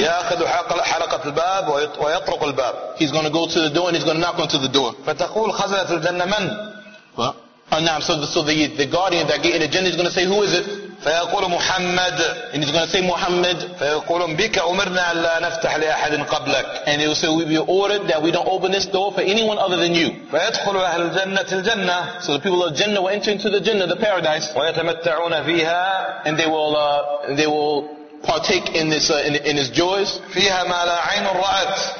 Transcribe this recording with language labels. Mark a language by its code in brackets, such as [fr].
[ar] يأخذ حلقة الباب ويطرق الباب. [en] He's going to go to the door and he's going to knock onto the door. [ar] فتقول خزنة الجنة من؟ [en] So the guardian that gate in the Jannah is going to say, who is it? [ar] فيقول محمد. [en] And he's going to say Muhammad. [ar] فيقولون بك أمرنا ألا نفتح لأحد قبلك. [en] And he will say, we be ordered that we don't open this door for anyone other than you. [ar] فيدخل أهل الجنة الجنة. [en] So the people of Jannah will enter into the Jannah, the paradise. [ar] ويتمتعون فيها. [en] And they will partake in his joys. [ar] فيها ما لا عين رأت.